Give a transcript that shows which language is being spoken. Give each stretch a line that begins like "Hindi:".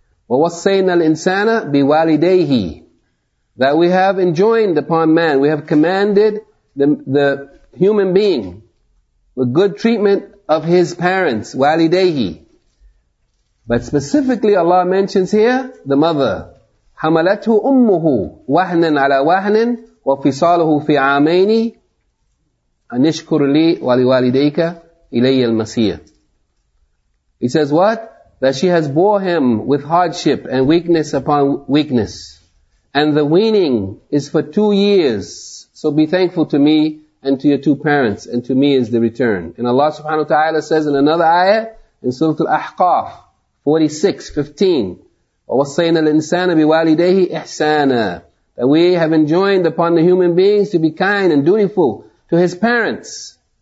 Arabic: وَوَصَّيْنَا الْإِنسَانَ بِوَالِدَيْهِ
English: That we have enjoined upon man, we have commanded the human being with good treatment of his parents, walidayhi. But specifically Allah mentions here the mother.
Arabic: حَمَلَتْهُ أُمُّهُ وَهْنًا عَلَى وَهْنٍ وَفِصَالُهُ فِي عَامَيْنِ أَنِشْكُرُ لِي وَلِوَالِدَيْكَ إِلَيَّ الْمَسِيرُ
English: He says what? That she has bore him with hardship and weakness upon weakness. And the weaning is for 2 years. So be thankful to me and to your two parents. And to me is the return. And Allah subhanahu wa ta'ala says in another ayah, in Surah Al-Ahqaf 46:15,
Arabic: وَوَصَّيْنَا الْإِنسَانَ بِوَالِدَيْهِ إِحْسَانًا
English: That we have enjoined upon the human beings to be kind and dutiful to his parents.